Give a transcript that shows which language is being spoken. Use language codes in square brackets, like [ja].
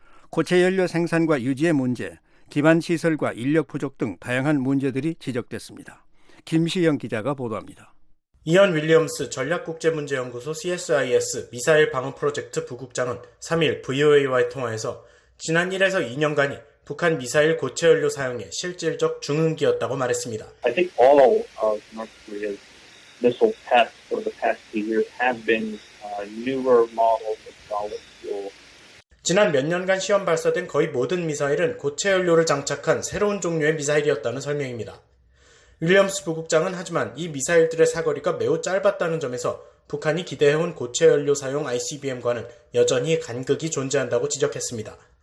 [ko] 고체 연료 생산과 유지의 문제, 기반 시설과 인력 부족 등 다양한 문제들이 지적됐습니다. 김시영 기자가 보도합니다. 이언 윌리엄스 전략국제문제연구소 CSIS 미사일 방어 프로젝트 부국장은 3일 VOA와의 통화에서 지난 1에서 2년간이 북한 미사일 고체 연료 사용의 실질적 중흥기였다고 말했습니다. [en] I think all of North Korea's missile tests for the past few years have been newer models of solid fuel. [ko] 지난 몇 년간 시험 발사된 거의 모든 미사일은 고체 연료를 장착한 새로운 종류의 미사일이었다는 설명입니다. 윌리엄스 부국장은 하지만 이 미사일들의 사거리가 매우 짧았다는 점에서 북한이 기대해온 고체 연료 사용 ICBM과는 여전히 간극이 존재한다고 지적했습니다.